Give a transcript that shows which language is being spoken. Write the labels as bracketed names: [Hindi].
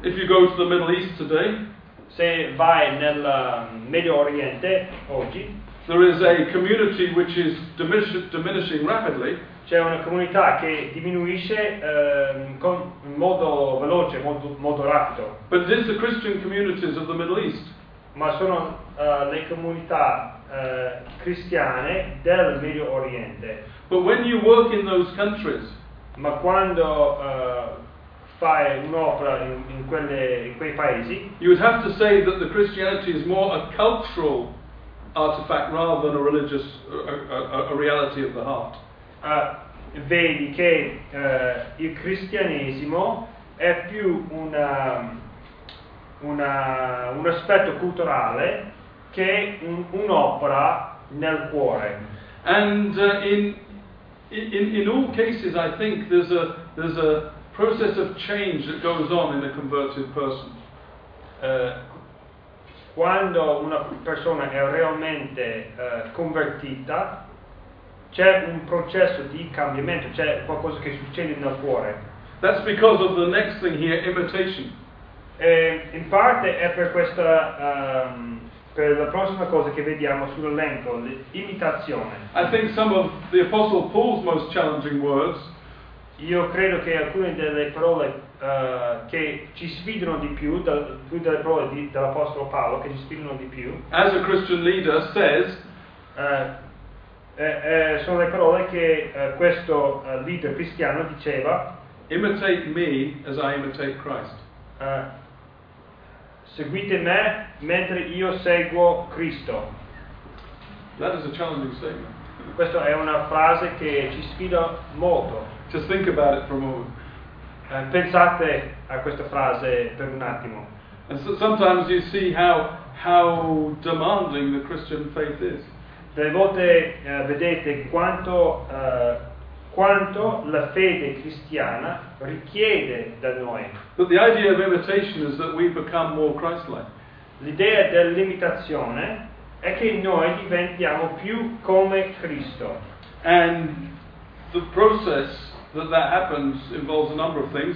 [English] If you go to the Middle East today, [Italian] se vai nel Medio Oriente oggi, [English] there is a community which is diminishing rapidly. [Italian] C'è una comunità che diminuisce in modo veloce, molto rapido. [English] But this is the Christian communities of the Middle East. [Italian] Ma sono le comunità cristiane del Medio Oriente. [English] But when you work in those countries, [Italian] ma quando fai un'opera in quei paesi, [English] you would have to say that the Christianity is more a cultural artifact rather than a religious a reality of the heart. [Italian] Vedi che il cristianesimo è più un aspetto culturale che un'opera nel cuore. [English] And in all cases I think there's a process of change that goes on in a converted person. [Italian] Quando una persona è realmente convertita, c'è un processo di cambiamento, c'è qualcosa che succede nel cuore. [English] That's because of the next thing here, imitation. [Italian] E in parte è per questa per la prossima cosa che vediamo sull'elenco, l'imitazione. [English] I think some of the Apostle Paul's most challenging words. [Italian] Io credo che alcune delle parole che ci sfidano di più, più delle parole dell'Apostolo Paolo che ci sfidano di più. [English] As a Christian leader says. [Italian] Sono le parole che questo leader cristiano diceva. [English] Imitate me as I imitate Christ. [Italian] Seguite me mentre io seguo Cristo. [English] That is a challenging statement. [Italian] Questa è una frase che ci sfida molto. [English] Just think about it for a moment. [Italian] Pensate a questa frase per un attimo. [English] And so sometimes you see how demanding the Christian faith is. [Italian] Delle volte vedete quanto la fede cristiana richiede da noi. [English] But the idea of imitation is that we become more Christ-like. [Italian] L'idea dell'imitazione è che noi diventiamo più come Cristo. [English] And the process that happens involves a number of things.